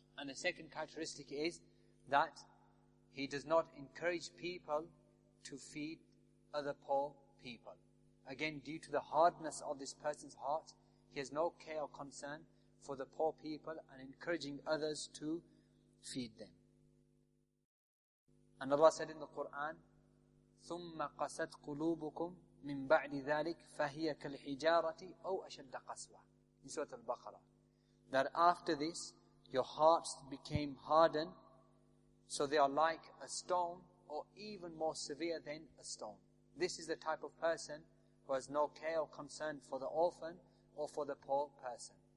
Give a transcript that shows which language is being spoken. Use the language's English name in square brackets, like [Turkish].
[English] And the second characteristic is that he does not encourage people to feed other poor people. Again, due to the hardness of this person's heart, he has no care or concern for the poor people and encouraging others to feed them. And Allah said in the Quran, [Arabic] ثُمَّ قَسَتْ قُلُوبُكُمْ مِنْ بَعْدِ ذَلِكَ فَهِيَ كَالْحِجَارَةِ أَوْ أَشَدَّ قَسْوَةً. [English] In Surah Al-Baqarah. That after this, your hearts became hardened, so they are like a stone, or even more severe than a stone. This is the type of person who has no care or concern for the orphan or for the poor person.